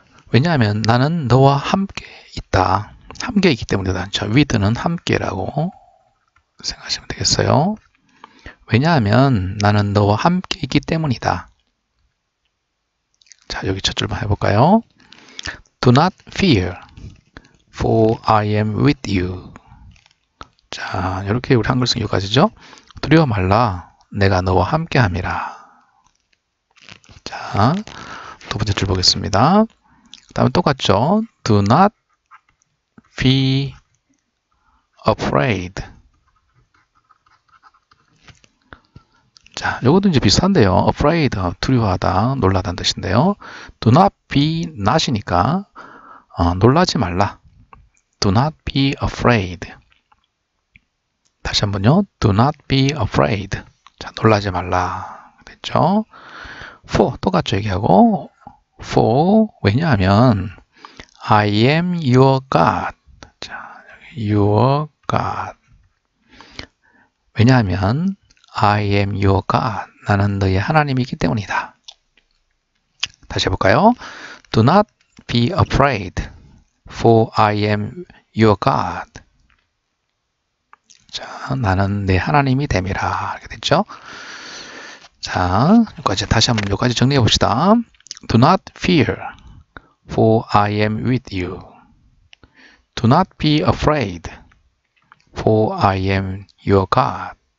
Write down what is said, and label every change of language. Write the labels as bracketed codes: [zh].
[ko] 왜냐하면 나는 너와 함께 있다. 함께이기 때문에 난저 with는 함께라고 생각하시면 되겠어요. 왜냐하면 나는 너와 함께 있기 때문이다. 자, 여기 첫 줄만 해볼까요? [en] Do not fear, for I am with you. [ko] 자, 이렇게 우리 한글씩 여기까지죠? 두려워 말라. 내가 너와 함께 함이라. 자. 두 번째 줄 보겠습니다. 그 다음에 똑같죠? [en] Do not be afraid. [ko] 자, 요것도 이제 비슷한데요. Afraid, 두려워하다, 놀라다는 뜻인데요. Do not be not이니까, 놀라지 말라. [en] Do not be afraid. [ko] 다시 한 번요. [en] Do not be afraid. [ko] 자, 놀라지 말라. 됐죠? For, 똑같죠? 얘기하고. [en] For, 왜냐하면, I am your God. 자, your God. 왜냐하면, I am your God. [ko] 나는 너의 하나님이기 때문이다. 다시 해볼까요? [en] Do not be afraid, for I am your God. [ko] 자, 나는 내 하나님이 됨이라. 이렇게 됐죠? 자, 여기까지, 다시 한번 여기까지 정리해 봅시다. [en] Do not fear, for I am with you. Do not be afraid, for I am your God.